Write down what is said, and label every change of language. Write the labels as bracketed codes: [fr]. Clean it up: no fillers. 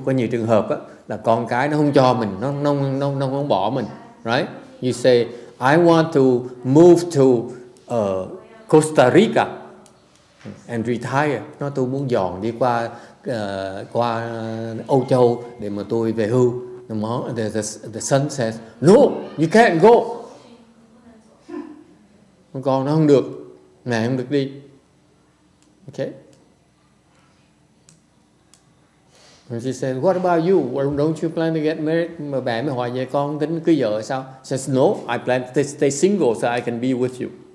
[vi] Có nhiều trường hợp là con cái nó không cho mình, nó không bỏ mình. [en] Right? You say, I want to move to Costa Rica and retire. [vi] Nó tôi muốn dọn đi qua qua Âu Châu để mà tôi về hưu. [en] The son says, no, you can't go. [vi] Con nó không được. Mẹ không được đi. Okay? [en] And she said, "What about you? Well, don't you plan to get married?" [vi] Mà bạn mới hỏi vậy, con tính cưới vợ sao? [en] She says, "No, I plan to stay single so I can be with you."